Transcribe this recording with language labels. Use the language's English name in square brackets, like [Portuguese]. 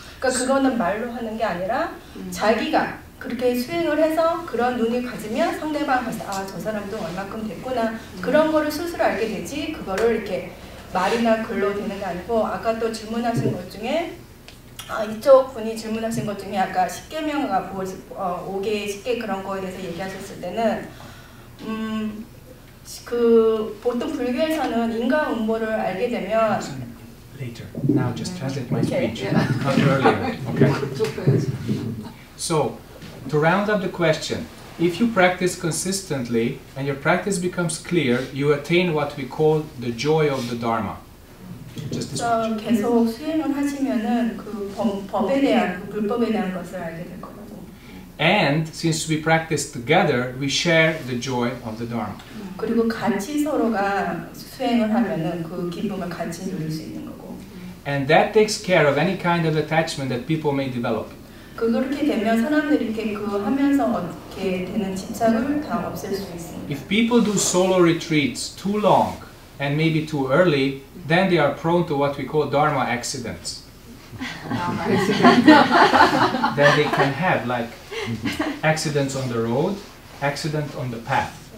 [Korean] 그러니까 그거는 말로 하는 게 아니라 자기가 그렇게 수행을 해서 그런 눈을 가지면 상대방한테 아, 저 사람도 얼만큼 됐구나, 그런 거를 스스로 알게 되지, 그거를 이렇게 말이나 글로 되는 게 아니고. 아까 또 질문하신 것 중에 이쪽 분이 질문하신 것 중에 아까 10계명과 5개의 10계 그런 거에 대해서 얘기하셨을 때는 그 보통 불교에서는 인과 응보를 알게 되면 [English] later now just translate my speech not earlier. Okay. So to round up the question, if you practice consistently and your practice becomes clear, you attain what we call the joy of the Dharma. Just this. [Korean] 계속 수행을 하시면은 그 법에 대한 그 불법에 대한 것을 알게 될 거예요. [English] And since we practice together, we share the joy of the Dharma. [Korean] 그리고 같이 서로가 수행을 하면은 그 기쁨을 같이 누릴 수 있는 거고. [English] And that takes care of any kind of attachment that people may develop. [Korean] 그렇게 되면 사람들이 이렇게 그 하면서 어떻게 되는 집착을 다 없앨 수 있습니다. [English] If people do solo retreats too long and maybe too early, then they are prone to what we call Dharma accidents. That they can have, like accidents on the road, accidents on the path.